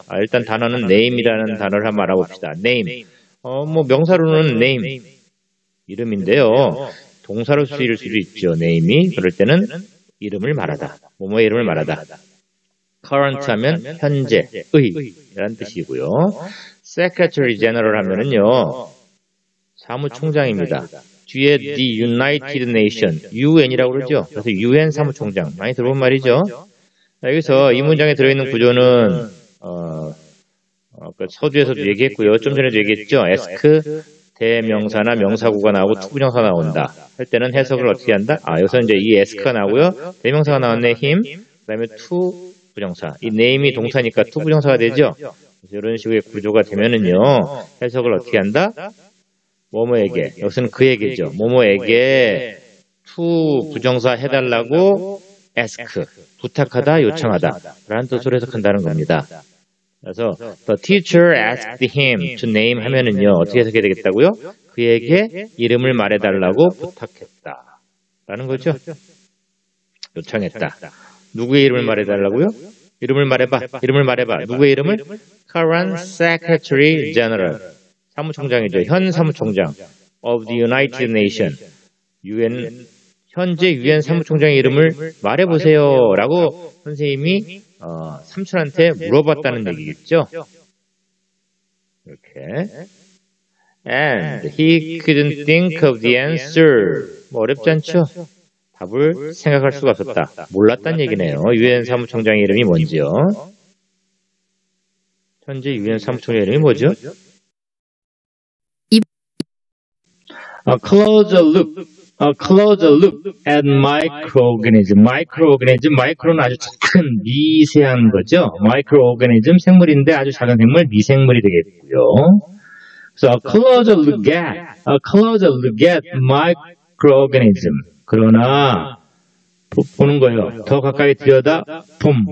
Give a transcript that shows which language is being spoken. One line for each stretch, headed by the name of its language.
Korean: 일단 단어는 name이라는 단어를 한번 알아봅시다. name. 뭐 명사로는 name. 이름인데요. 동사로 쓰일 수도 있죠. name이. 그럴 때는 이름을 말하다. 뭐뭐의 이름을 말하다. current 하면 현재의 이란 뜻이고요. secretary general 하면은요. 사무총장입니다. 뒤에 the united nation, UN이라고 그러죠. 그래서 UN 사무총장. 많이 들어본 말이죠. 여기서 이 문장에 들어있는 구조는 서두에서도 얘기했고요. 좀 전에도 얘기했죠. ask, 대명사나 명사구가 나오고 투부정사 나온다 할 때는 해석을 어떻게 한다? 여기서 이제 이 ask가 나오고요. 대명사가 나왔네, him. 그 다음에 투부정사. 이 name이 동사니까 투부정사가 되죠. 그래서 이런 식의 구조가 되면은요. 해석을 어떻게 한다? 뭐뭐에게. 여기서는 그에게죠. 뭐뭐에게 투부정사 해달라고 ask. 부탁하다, 요청하다. 라는 뜻으로 해석한다는 겁니다. 그래서
English: the teacher asked him to name
Korean: 하면은요 어떻게 해석이 되겠다고요? 그에게 이름을 말해달라고 부탁했다 라는 거죠. 요청했다. 누구의 이름을 말해달라고요? 이름을 말해봐. 누구의 이름을?
English: Current Secretary General,
Korean: 사무총장이죠. 현 사무총장
English: of the United Nations,
Korean: UN, 현재 UN 사무총장의 이름을 말해보세요 라고 선생님이 삼촌한테 물어봤다는 얘기겠죠. 이렇게.
English: And he couldn't think of the answer.
Korean: 뭐 어렵지 않죠? 답을 생각할 수가 없었다. 몰랐다는 얘기네요. UN 사무총장의 이름이 뭔지요. 현재 유엔 사무총장 이름이 뭐죠? 아,
English: close the loop. Close the loop at microorganism.
Korean: Microorganism, micro는 아주 작은 미세한 거죠. Microorganism, 생물인데 아주 작은 생물, 미생물이 되겠고요.
English: So, close the loop at, close the loop at microorganism.
Korean: 그러나, 보는 거예요. 더 가까이 들여다, 봄.